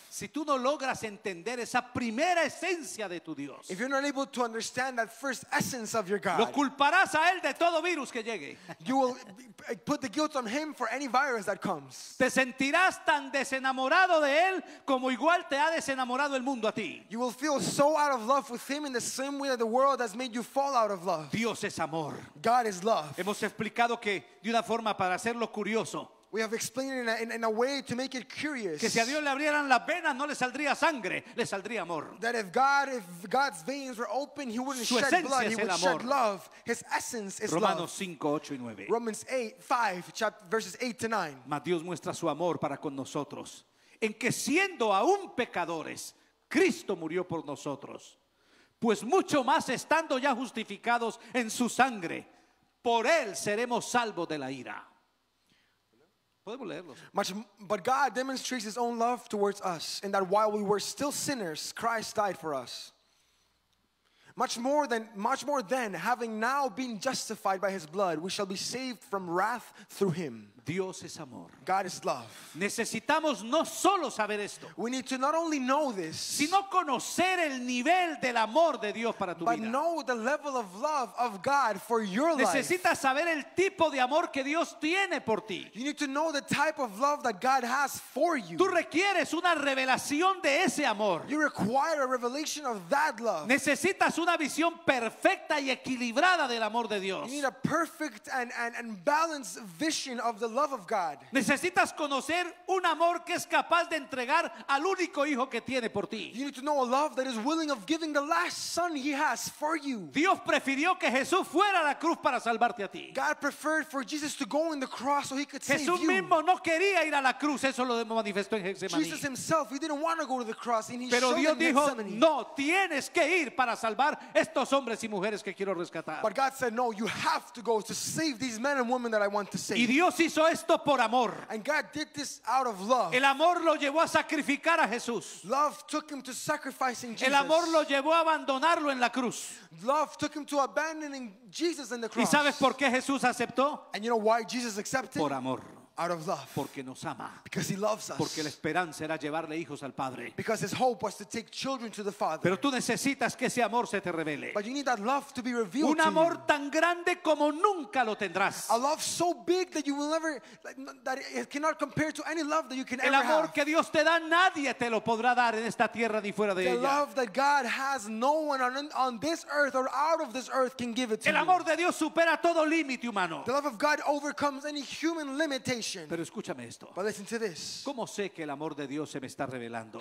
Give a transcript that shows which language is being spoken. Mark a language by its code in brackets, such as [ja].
[es] Si tú no logras entender esa primera esencia de tu Dios, [en] if you're not able to understand that first essence of your God, [es] lo culparás a él de todo virus que llegue. [en] You will put the guilt on him for any virus that comes. [es] Te sentirás tan desenamorado de él como igual te ha desenamorado el mundo a ti. [en] You will feel so out of love with him in the same way that the world has made you fall out of love. [es] Dios es amor. [en] God is love. [es] Hemos explicado que de una forma para hacerlo curioso. [en] We have explained it in a way to make it curious. [es] Que si a Dios le abrieran las venas, no le saldría sangre, le saldría amor. [en] That if God's veins were open, he wouldn't shed blood, he would shed love. His essence is [es] Romanos [en] love. [es] 5, 8 y 9. [en] Romans 5:8-9. [es] Mas Dios muestra su amor para con nosotros, en que siendo aún pecadores, Cristo murió por nosotros. Pues mucho más estando ya justificados en su sangre, por él seremos salvos de la ira. [en] But God demonstrates his own love towards us in that while we were still sinners, Christ died for us. Much more than having now been justified by his blood, we shall be saved from wrath through him. [es] Dios es amor. [en] God is love. [es] Necesitamos no solo saber esto. [en] We need to not only know this, [es] sino conocer el nivel del amor de Dios para tu [en] but [es] vida. [en] But know the level of love of God for your [es] Necesitas [en] life. [es] Necesitas saber el tipo de amor que Dios tiene por ti. [en] You need to know the type of love that God has for you. [es] Tú requieres una revelación de ese amor. [en] You require a revelation of that love. [es] Necesitas una visión perfecta y equilibrada del amor de Dios. [en] You need a perfect and balanced vision of the love of God. [es] Necesitas conocer un amor que es capaz de entregar al único hijo que tiene por ti. [en] You need to know a love that is willing of giving the last son he has for you. [es] Dios prefirió que Jesús fuera a la cruz para salvarte a ti. [en] God preferred for Jesus to go on the cross so he could save you. [es] Jesús mismo no quería ir a la cruz, eso lo manifestó en Getsemaní. [en] Jesus himself, he didn't want to go to the cross, and he [es] Pero [en] showed [es] Dios [en] in [es] dijo, [en] Getsemaní. [es] No, tienes que ir para salvar estos hombres y mujeres que quiero rescatar. [en] But God said, no, you have to go to save these men and women that I want to save. [es] Y Dios hizo esto por amor. [en] And God did this out of love. [es] El amor lo llevó a sacrificar a Jesús. [en] Love took him to sacrificing Jesus. [es] El amor lo llevó a abandonarlo en la cruz. [en] Love took him to abandoning Jesus in the cross. [es] ¿Y sabes por qué Jesús aceptó? [en] And you know why Jesus accepted? [es] Por amor. [en] Out of love. [es] Porque nos ama. [en] Because he loves us. [es] Porque la esperanza era llevarle hijos al Padre. [en] Because his hope was to take children to the Father. [es] Pero tú necesitas que ese amor se te revele. [en] But you need that love to be revealed. [es] Un amor tan grande como nunca lo tendrás. [en] A love so big that you will never, that it cannot compare to any love that you can ever have. [es] El amor que Dios te da, nadie te lo podrá dar en esta tierra ni fuera de ella. [en] The love that God has, no one on this earth or out of this earth can give it to you. [es] El amor de Dios supera todo límite humano. [en] The love of God overcomes any human limitation. [es] Pero escúchame esto. [en] But listen to this. [es] ¿Cómo sé que el amor de Dios se me está revelando?